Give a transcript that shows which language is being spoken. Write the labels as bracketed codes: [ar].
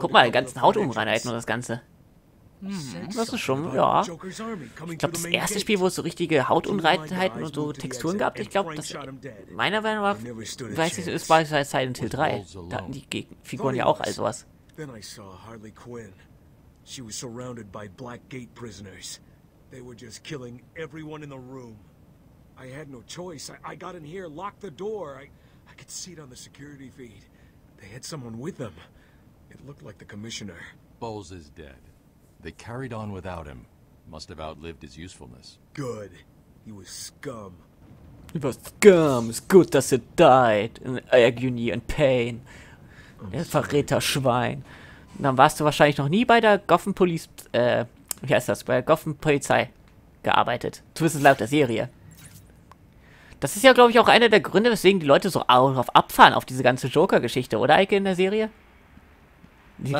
[de] Guck mal, ganzen Hautunreinheiten und das Ganze. Das ist schon, ja. Ich glaube, das erste Spiel, wo es so richtige Hautunreinheiten und so Texturen gab, ich glaube, das meiner Meinung nach, weiß ich, ist bei Silent Hill 3. Da hatten die Figuren ja auch all sowas. [en] Then I saw Harley Quinn. She was surrounded by Black Gate prisoners. They were just killing everyone in the room. I had no choice. I got in here, locked the door. I could see it on the security feed. They had someone with them. It looked like the commissioner. Bowles is dead. They carried on without him. Must have outlived his usefulness. Good. He was scum. He was scum. It's good that he died in agony and pain. [de] Der Verräterschwein. Und dann warst du wahrscheinlich noch nie bei der Gotham Police, wie heißt das, bei der Gotham Polizei gearbeitet. Zumindest laut der Serie. Das ist ja, glaube ich, auch einer der Gründe, weswegen die Leute so auf abfahren auf diese ganze Joker-Geschichte, oder Eike, in der Serie? Die Was?